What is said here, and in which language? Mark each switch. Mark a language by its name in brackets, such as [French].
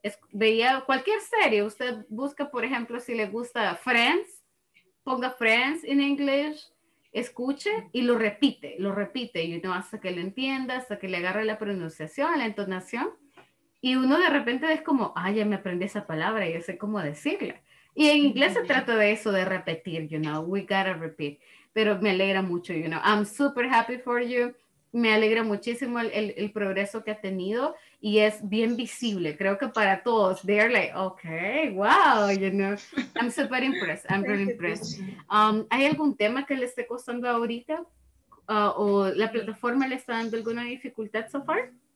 [Spanish] Veía cualquier serie, usted busca, por ejemplo, si le gusta Friends, ponga Friends [English] in English, [Spanish] escuche y lo repite, [English] you know, [Spanish] hasta que lo entienda, hasta que le agarre la pronunciación, la entonación. Y uno de repente es como, ay, ya me aprendí esa palabra, ya sé cómo decirla. Y en inglés se trata de eso, de repetir, [English] you know, we gotta repeat. [Spanish] Pero me alegra mucho, [English] you know, I'm super happy for you. [Spanish] Me alegra muchísimo el progreso que ha tenido y es bien visible. Creo que para todos, [English] they're like, okay, wow, you know. I'm super impressed, I'm really impressed. [Spanish] ¿Hay algún tema que le esté costando ahorita? ¿O la plataforma le está dando alguna dificultad [English] so far?